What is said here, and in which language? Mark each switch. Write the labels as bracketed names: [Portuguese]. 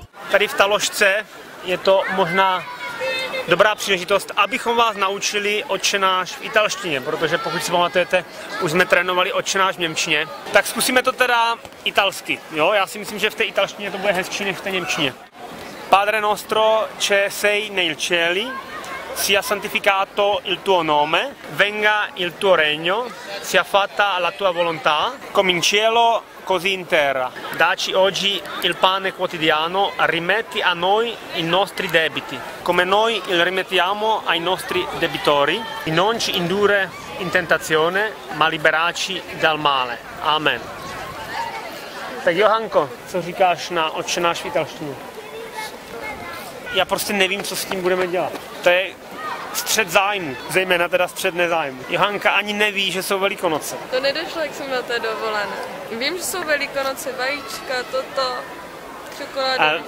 [Czech] Tady v Taložce je to možná dobrá příležitost, abychom vás naučili očenáš v italštině, protože pokud si pamatujete, už jsme trénovali očenáš v němčině, tak zkusíme to teda italsky, jo? Já si myslím, že v té italštině to bude hezčí než v té němčině. [Italian] Padre nostro, che sei nel cieli, sia santificato il tuo nome, venga il tuo regno, sia fatta la tua volontà, come in cielo, così in terra. Dacci oggi il pane quotidiano, rimetti a noi i nostri debiti, come noi li rimettiamo ai nostri debitori, e non ci indurre in tentazione, ma liberaci dal male. Amen. [Czech] Tak Johanko, co říkáš na očenáš v italštině? Já prostě nevím, co s tím budeme dělat. To je střed zájmu, zejména teda střed nezájmu. Johanka ani neví, že jsou Velikonoce. To nedošlo, jak jsem na té dovolené. Vím, že jsou Velikonoce, vajíčka, toto, čokoláda.